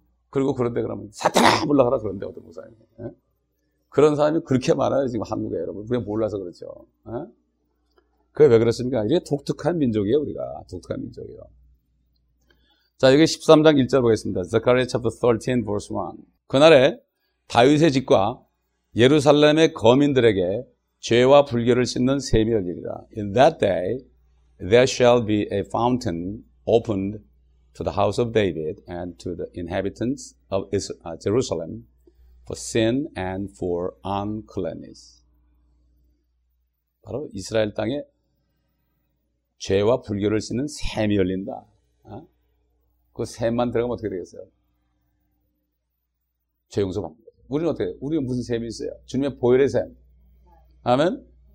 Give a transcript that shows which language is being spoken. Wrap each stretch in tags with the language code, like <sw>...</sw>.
<ko>그리고 그런데 그러면 사탄아! 물러가라. 그런데 어떤 목사님. 그런 사람이 그렇게 많아요, 지금 한국에, 여러분. 우리가 몰라서 그렇죠. 그게 왜 그렇습니까? 이게 독특한 민족이에요, 우리가. 독특한 민족이요. 자, 여기 13장 1절 보겠습니다.</ko> <en>Zechariah chapter 13, verse 1.</en> <ko>그날에 다윗의 집과 예루살렘의 거민들에게 죄와 불결을 씻는 셈이 열리리라.</ko> <en>In that day, there shall be a fountain opened to the house of David and to the inhabitants of Jerusalem for sin and for uncleanness.</en> <ko>바로 이스라엘 땅에 죄와 불결을 씻는 셈이 열린다. 그 셈만 들어가면 어떻게 되겠어요? 죄 용서 받는 거예요. 우리는 어떻게 돼요? 우리는 무슨 셈이 있어요? 주님의 보혈의 셈. 아멘?</ko>